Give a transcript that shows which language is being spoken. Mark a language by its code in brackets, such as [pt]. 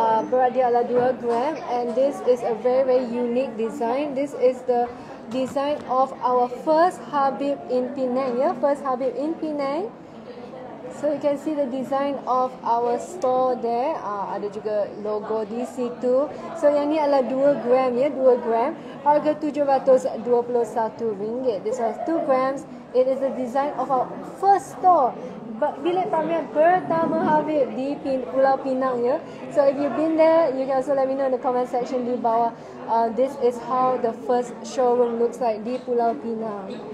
[ms] Berat dia adalah 2 gram. [en] And this is a very, very unique design. This is the design of our first Habib in Penang. Ya, yeah? First Habib in Penang. So you can see the design of our store there. [ms] Ada juga logo di situ. So yang ni adalah 2 gram ya, 2 gram. Harga [en] RM721. This was 2 grams. It is the design of our first store. [ms] Bilik pamer pertama Habib di Pulau Pinang ya. [en] So if you've been there, you can also let me know in the comment section [ms] di bawah. [en] This is how the first showroom looks like [ms] di Pulau Pinang.